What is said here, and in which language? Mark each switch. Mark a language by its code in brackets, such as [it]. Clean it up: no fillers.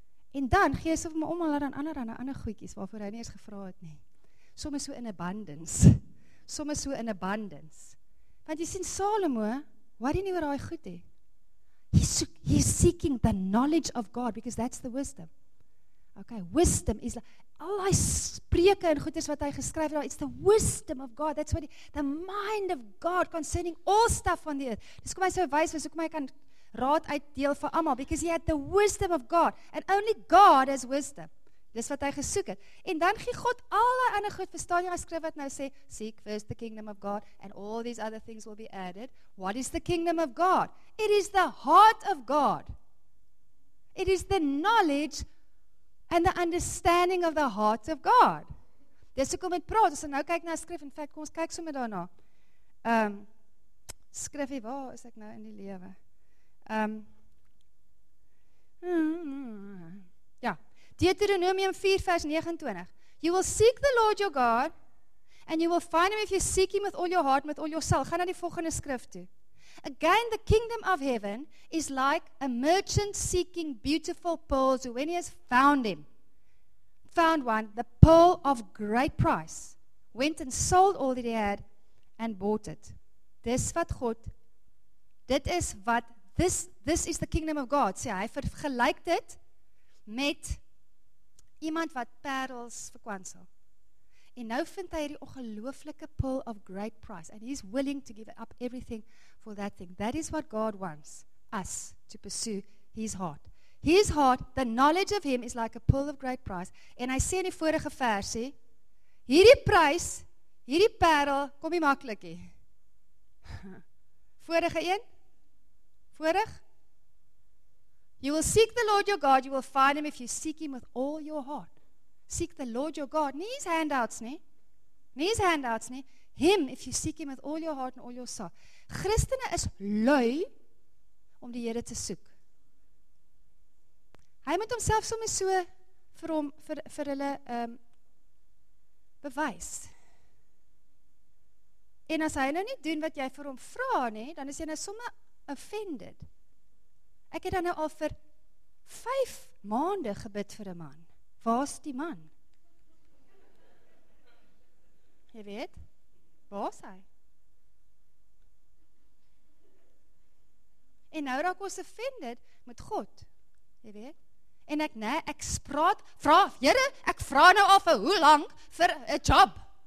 [af] En dan gee sy vir my om aan ander aan 'n ander goedjies waarvoor hy nie eens gevra het nie. Sommige so in abundance. Sommige so in abundance. Want jy sien Salomo, wat hy nie oor daai goed hê. [en] He's seeking the knowledge of God because that's the wisdom. [af] Okay, wisdom is al die spreuke en goeders wat hy geskryf het, [en] it's the wisdom of God. That's what the mind of God concerning all stuff on the earth. [af] Dis kom hy so wys, so kom hy kan raad uitdeel vir almal [en] because he had the wisdom of God and only God has wisdom. [af] Dis wat hy gesoek het. En dan gee God al die ander goed, verstaan jy wat skryf wat nou sê, [en] seek first the kingdom of God and all these other things will be added. What is the kingdom of God? It is the heart of God. It is the knowledge and the understanding of the heart of God. [af] Dis ek kom met praat, ons nou kyk na skrif, in fact, kom ons kyk sommer daarna. Skrifie, waar is ek nou in die lewe? Deuteronomium 4 vers 29. [en] You will seek the Lord your God and you will find him if you seek him with all your heart, with all your soul. [af] Gaan na die volgende skrif toe. [en] Again, the kingdom of heaven is like a merchant seeking beautiful pearls who when he has found him, found one, the pearl of great price, went and sold all that he had and bought it. [af] Dis wat God, dit is wat, [en] this is the kingdom of God. [af] Sê hy vergelyk dit met iemand wat parels verkwansel. En nou vind hy die ongelooflike [en] pearl of great price. And he's willing to give up everything for that thing. That is what God wants us to pursue his heart. His heart, the knowledge of him is like a pearl of great price. [af] En hy sê in die vorige versie, hierdie prys, hierdie parel, kom nie maklik nie. Vorige een? Vorig? [en] You will seek the Lord your God, you will find him if you seek him with all your heart. Seek the Lord your God, nie his handouts nie, nie his handouts nie, him if you seek him with all your heart and all your soul. [af] Christene is lui om die Here te soek. Hy moet homself sommer so vir hom, vir hulle bewys. En as hy nou nie doen wat jy vir hom vra nie, dan is hy nou sommer offended. Ek het dan nou al vir 5 maande gebid vir 'n man. Waar's die man? Jy weet, waar's hy? En nou raak ons offended met God. Jy weet? En ek nê, ek spraak, vra, Here, ek vra nou al vir hoe lank vir 'n job.